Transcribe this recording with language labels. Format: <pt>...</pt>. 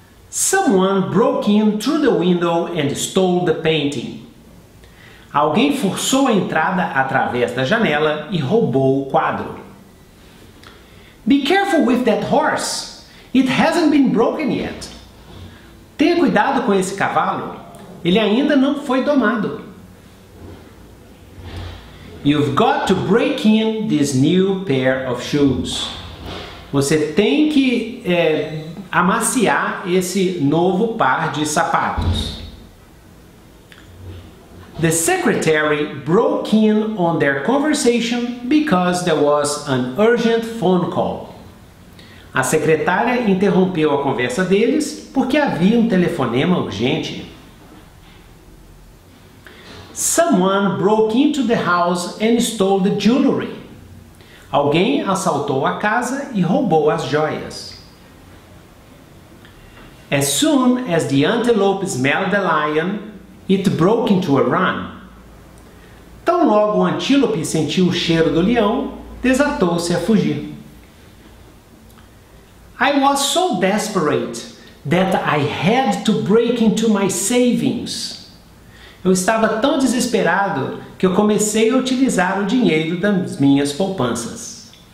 <en>Someone broke in through the window and stole the painting.</en> <pt>Alguém forçou a entrada através da janela e roubou o quadro.</pt> <en>Be careful with that horse. It hasn't been broken yet.</en> <pt>Tenha cuidado com esse cavalo. Ele ainda não foi domado.</pt> <en>You've got to break in this new pair of shoes.</en> <pt>Você tem que amaciar esse novo par de sapatos.</pt> <en>The secretary broke in on their conversation because there was an urgent phone call.</en> <pt>A secretária interrompeu a conversa deles porque havia um telefonema urgente.</pt> <en>Someone broke into the house and stole the jewelry.</en> <pt>Alguém assaltou a casa e roubou as joias.</pt> <en>As soon as the antelope smelled the lion, it broke into a run.</en> <pt>Tão logo o antílope sentiu o cheiro do leão, desatou-se a fugir.</pt> <en>I was so desperate that I had to break into my savings.</en> <pt>Eu estava tão desesperado que eu comecei a utilizar o dinheiro das minhas poupanças.</pt>